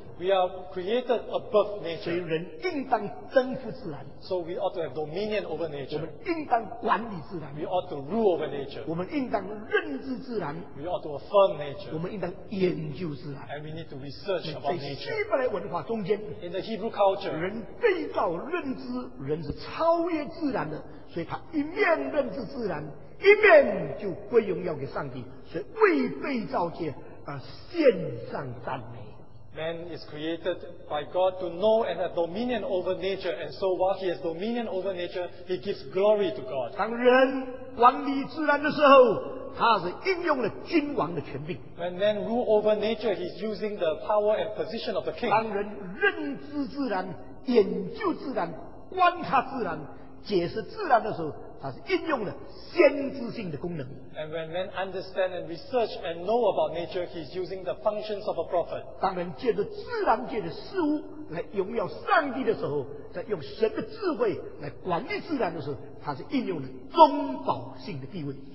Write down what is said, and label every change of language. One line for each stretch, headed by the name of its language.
English: we are created above nature.
Chinese: 所以人应当征服自然,
English: so we ought to have dominion over nature.
Chinese: 我们应当管理自然,
English: we ought to rule over nature.
Chinese: 我们应当认知自然,
English: we ought to affirm nature.
Chinese: 我们应当研究自然,
English: and we need to research about nature.
Chinese: 在希伯来文化中间,
English: in the Hebrew culture,
Chinese: 人被造认知, 人是超越自然的, 所以他一面认知自然, 一面就归荣耀给上帝, 所以为被造界, 献上赞美。
English: Man is created by God to know and have dominion over nature, and so while he has dominion over nature, he gives glory to God.
Chinese: 当人管理自然的时候, 他是应用了君王的权柄。
English: When man rule over nature, he's using the power and position of the king.
Chinese: 当人认知自然, 研究自然, 观察自然, 解释自然的时候, 它是应用了先知性的功能。
English: And when men understand and research and know about nature, he's using the functions of a prophet.
Chinese: 当人借着自然界的事物来荣耀上帝的时候, 在用神的智慧来管理自然的时候, 它是应用了中保性的地位。